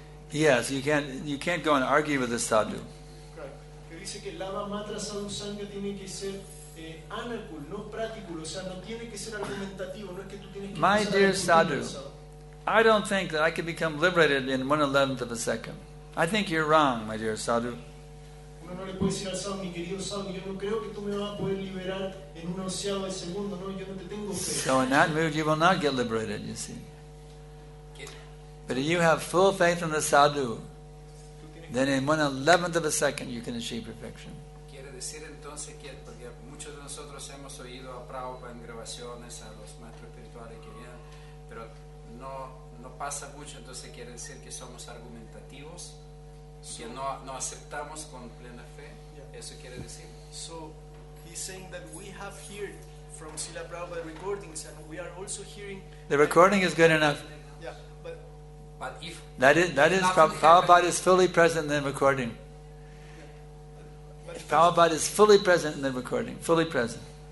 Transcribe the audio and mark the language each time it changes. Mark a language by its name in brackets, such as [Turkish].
[English] Yes, you can't go and argue with the sadhu. [Spanish] dice que Lava Matra Sadhusanga tiene que ser anakul, no pratikul, o sea, no tiene que ser argumentativo, no es que tú tienes que [English] My dear Sadhu, I don't think that I can become liberated in 1/11 of a second. I think you're wrong, my dear Sadhu. [Spanish] Uno no le puede decir al Sadhu, mi querido Sadhu, yo no creo que tú me vas a poder liberar en 1/11 de segundo, no, yo no te tengo fe. [English] So in that mood, you will not get liberated, you see. But if you have full faith in the Sadhu, then in 1/11 of a second you can achieve perfection. [Spanish] Quiere decir entonces que porque muchos de nosotros hemos oído a Prabhupada en grabaciones a los maestros espirituales que vienen, pero no pasa mucho, entonces quiere decir que somos argumentativos, que no aceptamos con plena fe. Yeah. Eso quiere decir. [English] So he's saying that we have heard from Srila Prabhupada recordings and we are also hearing. The recording is good enough. But if Prabhupada is fully present in the recording. Yeah. Prabhupada is fully present in the recording. Fully present.